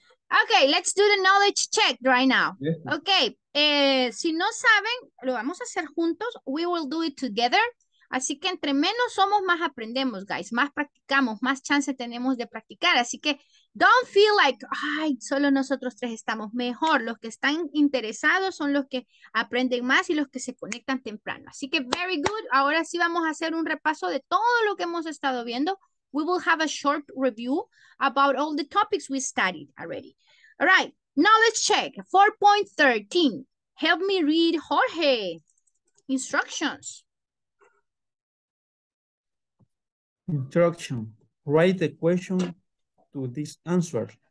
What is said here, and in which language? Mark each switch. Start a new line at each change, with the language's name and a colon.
English: Ok, let's do the knowledge check right now. Yes.
Spanish: Ok, si no saben, lo vamos a hacer juntos.
English: We will do it together.
Spanish: Así que entre menos somos, más aprendemos, guys. Más practicamos, más chance tenemos de practicar. Así que
English: don't feel like,
Spanish: ay, solo nosotros tres estamos mejor. Los que están interesados son los que aprenden más y los que se conectan temprano. Así que
English: very good.
Spanish: Ahora sí vamos a hacer un repaso de todo lo que hemos estado viendo.
English: We will have a short review about all the topics we studied already. All right, knowledge check, 4.13. Help me read Jorge instructions. Instruction, write the question to this answer.